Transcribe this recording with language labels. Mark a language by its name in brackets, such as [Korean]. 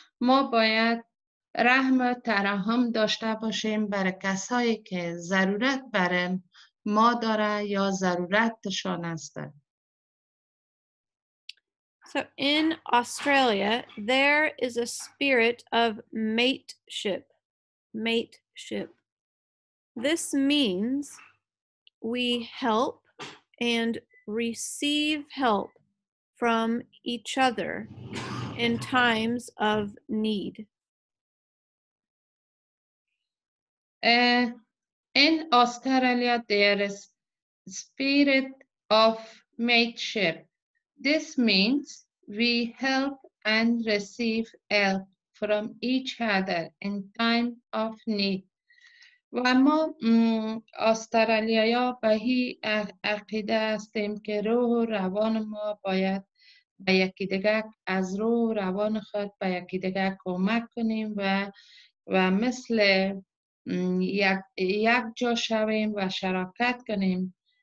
[Persian] ما باید رحم و ترحم داشته باشیم برای کسایی که ضرورت برای ما داره یا ضرورتشان است. [English] So in Australia, there is a spirit of mateship. Mateship. This means we help and receive help from each other in times of need. In Australia, there is spirit of mateship. This means we help and receive help from each other in time of need. [Persian] و ما استرالیایا به هی عقیده هستیم که روح و روان ما باید به یکی دیگه از روح و روان خود به یکی دیگه کمک کنیم و مثل یک جا شویم و شراکت کنیم.